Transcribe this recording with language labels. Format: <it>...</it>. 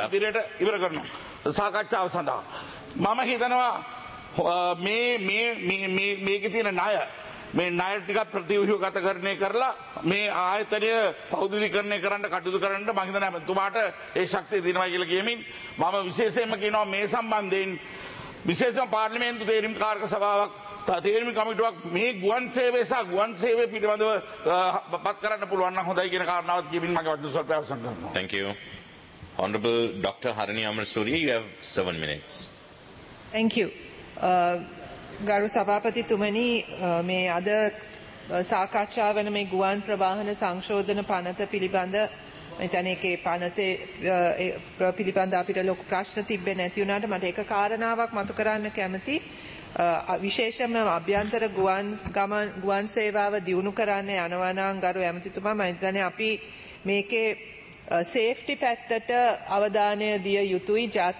<si>අර්ධිරේට ඉවර කරනවා සාකච්ඡාව සඳහා මම හිතනවා මේ මේ මේ මේකේ තියෙන ණය මේ ණය ටිකක් ප්‍රතිව්‍යුහගතකරණය කරලා මේ ආයතනය පෞද්ගලීකරණය කරන්න කටයුතු කරන්න මම හිතනවා එතුමාට ඒ ශක්තිය දෙනවා කියලා කියමින් මම විශේෂයෙන්ම කියනවා මේ සම්බන්ධයෙන් විශේෂයෙන්ම පාර්ලිමේන්තු තේරීම් කාර්ක සභාවක් තේරීම් කමිටුවක් මේ ගුවන් සේවය සහ ගුවන් සේවය පිළිබඳව පත් කරන්න පුළුවන් නම් හොඳයි කියන කාරණාවත් කියමින් මගේ වචන සල්පය අවසන් කරනවා.</si> <en>Thank you. Honorable Dr. Harini Amarasuriya, you have 7 minutes. Thank you.</en> <si>ගරු සභාපතිතුමනි මේ අද සාකච්ඡා වෙන මේ ගුවන් ප්‍රවාහන සංශෝධන පනත පිළිබඳ මෙතන එකේ පනතේ පිළිබඳ අපිට ලොකු ප්‍රශ්න තිබ්බේ නැති වුණාට මට එක කාරණාවක් මතු කරන්න කැමති විශේෂයෙන්ම අභ්‍යන්තර ගුවන් සේවාව දියුණු කරන්න යනවා නම් ගරු ඇමතිතුමා මම හිතන්නේ අපි මේකේ සේෆ්ටි පැත්තට අවධානය දිය යුතුයි</si>